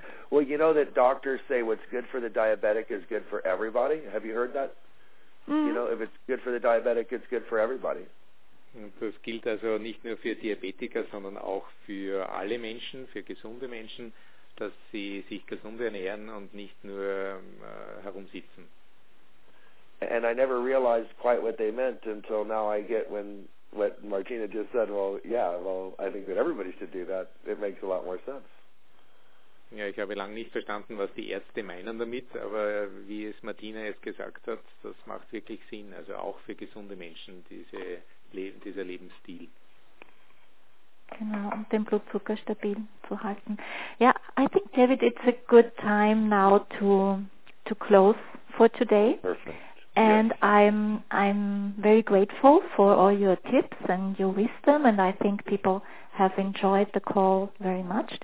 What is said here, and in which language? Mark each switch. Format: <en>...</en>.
<en>Well, you know that doctors say what's good for the diabetic is good for everybody. Have you heard that? Mm. You know, if it's good for the diabetic, it's good for everybody.</en> <de>Das gilt also nicht nur für Diabetiker, sondern auch für alle Menschen, für gesunde Menschen, dass sie sich gesund ernähren und nicht nur herumsitzen.</de> <en>And I never realized quite what they meant until now I get when what Martina just said, well, yeah, well, I think that everybody should do that. It makes a lot more sense.</en> <de>Ja, ich habe lange nicht verstanden, was die Ärzte meinen damit, aber wie es Martina jetzt gesagt hat, das macht wirklich Sinn, also auch für gesunde Menschen, dieser Lebensstil. Genau, um den Blutzucker stabil zu halten.</de> <en>Ja, yeah, I think, David, it's a good time now to close for today. Perfect. And I'm very grateful for all your tips and your wisdom, and I think people have enjoyed the call very much.</en>